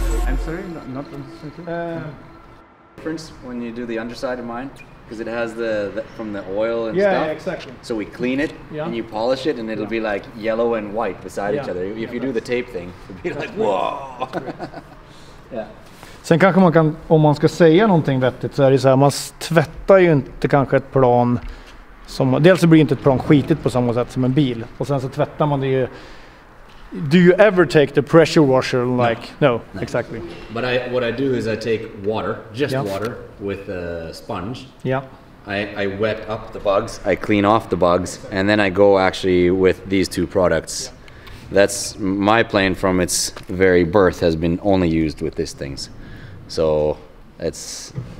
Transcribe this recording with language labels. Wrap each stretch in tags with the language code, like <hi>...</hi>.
<en>Difference when you do the underside of mine because it has the from the oil and stuff. Yeah, exactly. So we clean it and you polish it and it'll be like yellow and white beside each other. If you do the tape thing, it'll be like whoa.</en> <sv>Sen kanske man kan om man ska säga någonting vettigt så är det så här man tvättar ju inte kanske ett plan som dels blir inte ett plan skitigt på samma sätt som en bil och sen så tvättar man det ju.</sv> <en>Do you ever take the pressure washer? Like no, exactly. But what I do is I take water, just water, with a sponge. Yeah. I wet up the bugs. I clean off the bugs, and then I go actually with these two products. Yeah. That's my plane from its very birth has been only used with these things, so it's</en>